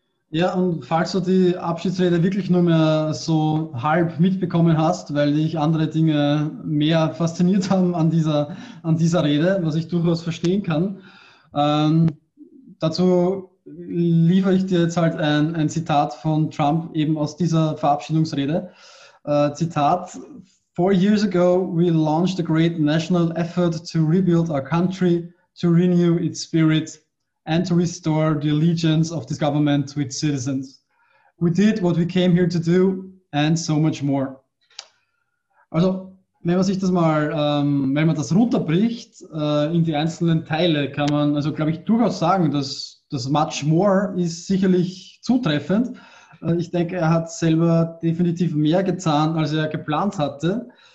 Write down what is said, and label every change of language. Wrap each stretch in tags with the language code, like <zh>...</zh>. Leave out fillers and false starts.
<de>Ja, und falls du die Abschiedsrede wirklich nur mehr so halb mitbekommen hast, weil dich andere Dinge mehr fasziniert haben an dieser Rede, was ich durchaus verstehen kann, dazu liefere ich dir jetzt halt ein Zitat von Trump eben aus dieser Verabschiedungsrede.</de> <en>Zitat: 4 years ago we launched a great national effort to rebuild our country, to renew its spirit. And to restore the allegiance of this government to its citizens. We did what we came here to do and so much more.</en> <de>Also, wenn man sich das mal, wenn man das runterbricht, in die einzelnen Teile, kann man, also glaube ich, durchaus sagen, dass das</de> <en>much more</en> <de>ist sicherlich zutreffend. Ich denke, er hat selber definitiv mehr getan, als er geplant hatte.</de>